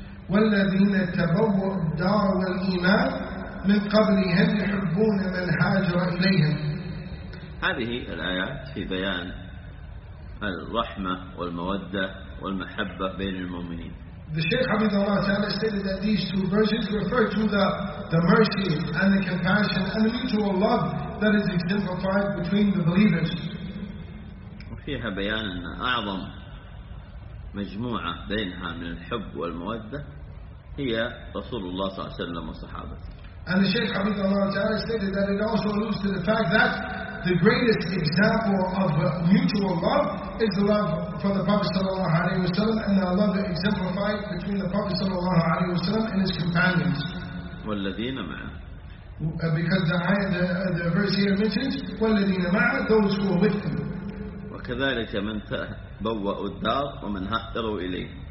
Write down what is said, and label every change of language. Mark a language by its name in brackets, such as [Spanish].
[Arabic] والذين تبوأوا الدار والإيمان من قبلهم يحبون من هاجر إليهم. هذه الآيات في بيان الرحمة والمودة والمحبة بين المؤمنين. [English] The Shaykh [Arabic] حفظه الله تعالى [English] stated that these two verses refer to the mercy and the compassion and the mutual love that is exemplified between the believers. [Arabic] وفيها بيان أن أعظم مجموعة بينها من الحب والمودة هي رسول الله صلى الله عليه وسلم وصحابته. [English] And the Shaykh [Arabic] حفظه الله تعالى [English] stated that it also alludes to the fact that the greatest example of mutual love is the love for the Prophet sallallahu alaihi wasallam and the love that exemplified between the Prophet sallallahu alaihi wasallam and his companions. [Arabic] والذين معه. [English] Because the verse here mentions [Arabic] والذين معه, [English] those who are with him. [Arabic] وكذلك من تبوأوا الدار ومن هاجروا إليه.